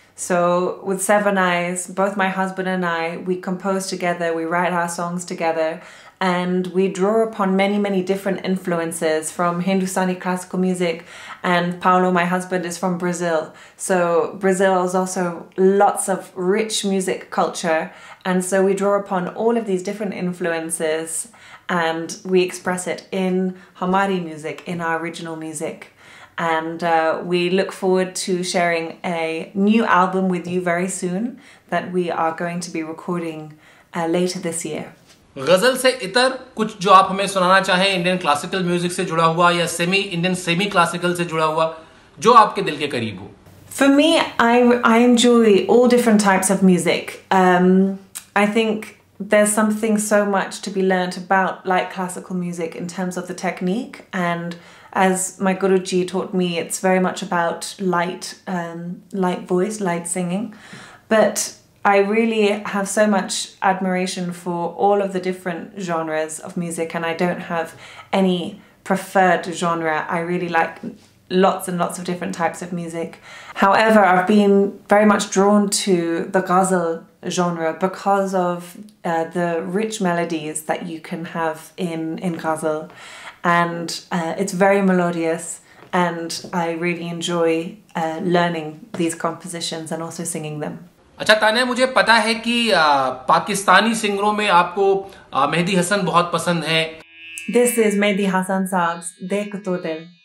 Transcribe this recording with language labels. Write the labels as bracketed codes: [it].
[en] So with seven eyes both my husband and I we compose together, we write our songs together and we draw upon many many different influences from Hindustani classical music and Paulo my husband is from Brazil, so Brazil is also lots of rich music culture. And so we draw upon all of these different influences and we express it in Hamari music, in our original music. And we look forward to sharing a new album with you very soon that we are going to be recording later this year. [hi] गजल से इतर कुछ जो आप हमें सुनाना चाहें, Indian classical music से जुड़ा हुआ या सेमी इंडियन सेमी क्लासिकल से जुड़ा हुआ, जो आपके दिल के करीब हो। [en] For me, I enjoy all different types of music. I think there's something so much to be learned about light classical music in terms of the technique. And as my Guruji taught me, it's very much about light, light voice, light singing. But I really have so much admiration for all of the different genres of music, and I don't have any preferred genre. I really like lots and lots of different types of music. However, I've been very much drawn to the ghazal genre because of the rich melodies that you can have in ghazal. And it's very melodious and I really enjoy learning these compositions and also singing them. [hi] अच्छा तानिया, मुझे पता है कि पाकिस्तानी सिंगरों में आपको मेहदी हसन बहुत पसंद है। [en] This is Mehdi Hasan Saab's Dekh To Dil.